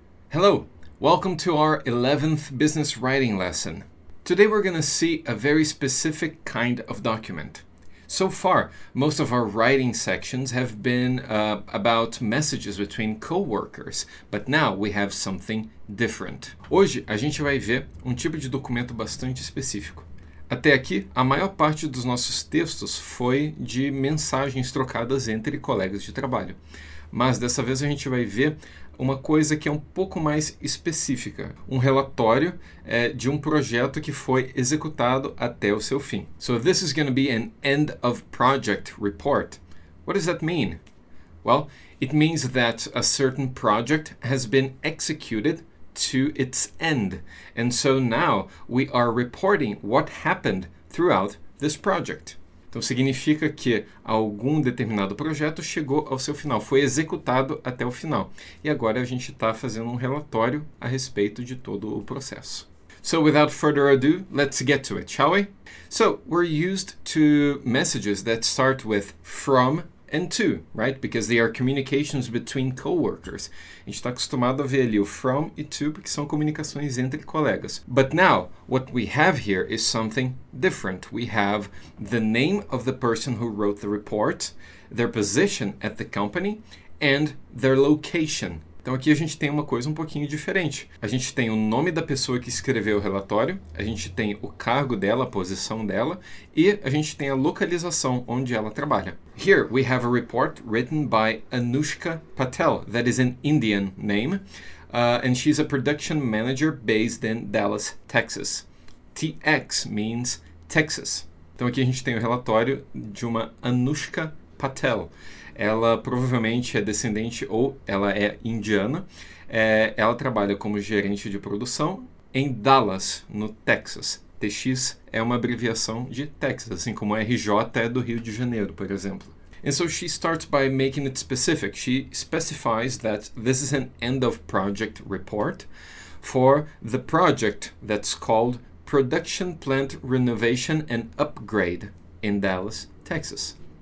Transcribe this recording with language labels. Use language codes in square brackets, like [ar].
[en] Hello, welcome to our 11th business writing lesson. Today we're going to see a very specific kind of document. So far, most of our writing sections have been about messages between coworkers, but now we have something different. [pt] Hoje a gente vai ver tipo de documento bastante específico. Até aqui, a maior parte dos nossos textos foi de mensagens trocadas entre colegas de trabalho. Mas dessa vez a gente vai ver uma coisa que é um pouco mais específica, um relatório de um projeto que foi executado até o seu fim. [en] So this is going to be an end of project report. What does that mean? Well, it means that a certain project has been executed to its end. And so now we are reporting what happened throughout this project. [pt] Então, significa que algum determinado projeto chegou ao seu final, foi executado até o final. E agora a gente está fazendo um relatório a respeito de todo o processo. [en] So, without further ado, let's get to it, shall we? So, we're used to messages that start with from and to, right? Because they are communications between coworkers. [pt] A gente está acostumado a ver ali o from e to, porque são comunicações entre colegas. [en] But now, what we have here is something different. We have the name of the person who wrote the report, their position at the company, and their location. [pt] Então aqui a gente tem uma coisa um pouquinho diferente. A gente tem o nome da pessoa que escreveu o relatório, a gente tem o cargo dela, a posição dela, e a gente tem a localização onde ela trabalha. [en] Here we have a report written by Anushka Patel, that is an Indian name, and she's a production manager based in Dallas, Texas. TX means Texas. [pt] Então aqui a gente tem o relatório de uma Anushka Patel. Ela provavelmente é descendente ou ela é indiana. Ela trabalha como gerente de produção em Dallas, no Texas. TX é uma abreviação de Texas, assim como RJ é do Rio de Janeiro, por exemplo. [en] And so she starts by making it specific. She specifies that this is an end of project report for the project that's called Production Plant Renovation and Upgrade in Dallas, Texas.